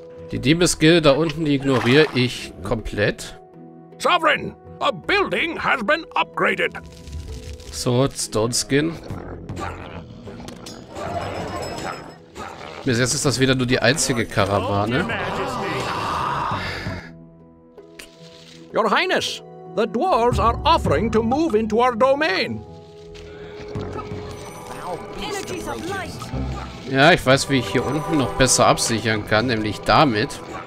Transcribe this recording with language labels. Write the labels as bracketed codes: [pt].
[de] Die Diebesgilde da unten, die ignoriere ich komplett. [en] Sovereign! A building has been upgraded! [de] So, Stone Skin. Bis jetzt ist das wieder nur die einzige Karawane. [en] Your Highness, the dwarves are offering to move into our domain. [de] Ja, ich weiß, wie ich hier unten noch besser absichern kann, nämlich damit.